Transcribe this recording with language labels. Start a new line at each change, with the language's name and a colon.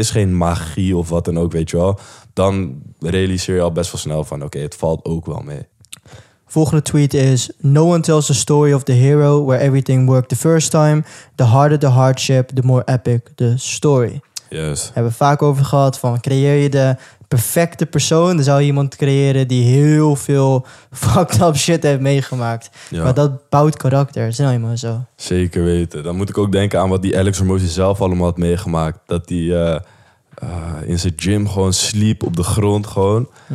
Dutch: Het is geen magie of wat dan ook, weet je wel. Dan realiseer je al best wel snel van oké, het valt ook wel mee. Volgende tweet is:
English: no one tells the story of the hero where everything worked the first time. The harder the hardship, the more epic the story. Yes.
Dutch: Hebben we vaak over gehad van creëer je de perfecte persoon, dan zou je iemand creëren die heel veel
English: fucked up shit
Dutch: heeft meegemaakt. Ja. Maar dat bouwt karakter, is nou helemaal zo. Zeker weten. Dan moet ik ook denken aan wat die Alex Hormozi zelf allemaal had meegemaakt. Dat die in zijn gym gewoon sliep op de grond gewoon.